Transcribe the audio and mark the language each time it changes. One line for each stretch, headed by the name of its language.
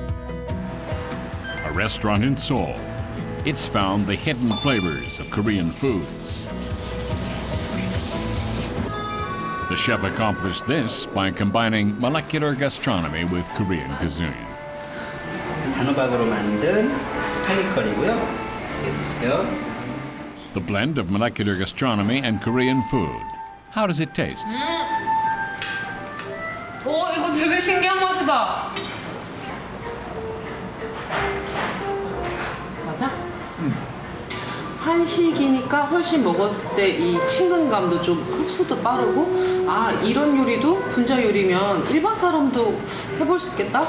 English: A restaurant in Seoul. It's found the hidden flavors of Korean foods. The chef accomplished this by combining molecular gastronomy with Korean cuisine.
Korean: 단호박으로 만든 스파이커리고요. 보세요.
English: The blend of molecular gastronomy and Korean food. How does it taste?
Korean: 오, 이거 되게 신기한 맛이다. 맞아? 한식이니까 훨씬 먹었을 때 이 친근감도 좀 흡수도 빠르고 아 이런 요리도 분자 요리면 일반 사람도 해볼 수 있겠다?